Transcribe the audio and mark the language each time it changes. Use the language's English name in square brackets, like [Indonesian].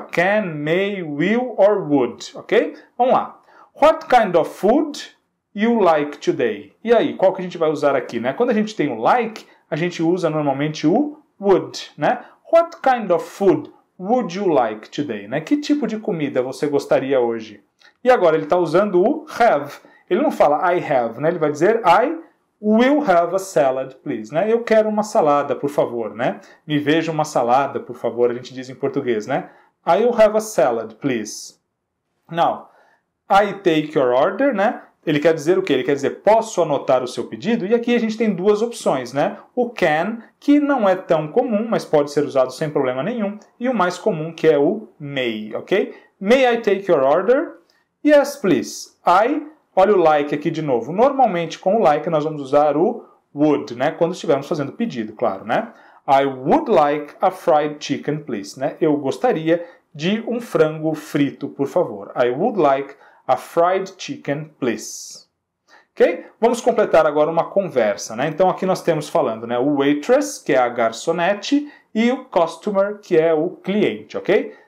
[English] Can, may, will or would, ok? [Portuguese] Vamos lá. [English] What kind of food you like today? [Portuguese] E aí, qual que a gente vai usar aqui, né? Quando a gente tem o like, a gente usa normalmente o would, né? [English] What kind of food would you like today, né? [Portuguese] Que tipo de comida você gostaria hoje? E agora, ele está usando o have. Ele não fala I have, né? Ele vai dizer [English] I will have a salad, please, [Portuguese] né? Eu quero uma salada, por favor, né? Me veja uma salada, por favor, a gente diz em português, né? [English] I'll have a salad, please. Now, I take your order, [Portuguese] né? Ele quer dizer o quê? Ele quer dizer, posso anotar o seu pedido? E aqui a gente tem duas opções, né? O can, que não é tão comum, mas pode ser usado sem problema nenhum. E o mais comum, que é o may, ok? [English] May I take your order? Yes, please. I, [Portuguese] olha o like aqui de novo. Normalmente, com o like, nós vamos usar o would, né? Quando estivermos fazendo pedido, claro, né? [English] I would like a fried chicken, please, né? [Portuguese] Eu gostaria de um frango frito, por favor. [English] I would like a fried chicken, please. Ok? [Portuguese] Vamos completar agora uma conversa, né? Então, aqui nós temos falando, né? O waitress, que é a garçonete, e o customer, que é o cliente, ok?